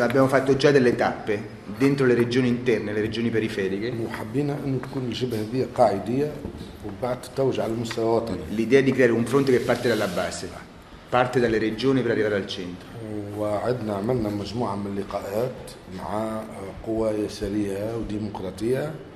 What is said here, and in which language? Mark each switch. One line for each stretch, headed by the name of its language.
Italian: abbiamo fatto già delle tappe dentro le regioni interne, le regioni periferiche.
Arabic: وحبينا أن تكون الجبهة دي قاعدية وبعد تتوج على المستوى الوطني.
Italian: L'idea di creare un fronte che parte dalla base, parte dalle regioni per arrivare al centro.
Arabic: وعدنا عملنا مجموعة من اللقاءات مع قوى يسارية وديمقراطية.